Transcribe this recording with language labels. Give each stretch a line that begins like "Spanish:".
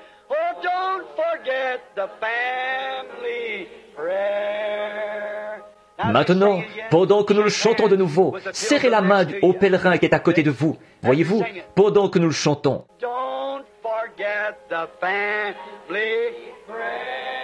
English: Oh, don't forget the family prayer.
French: Maintenant, pendant que nous le chantons de nouveau, serrez la main au pèlerin qui est à côté de vous. Voyez-vous, pendant que nous le chantons.
English: Don't forget the family prayer.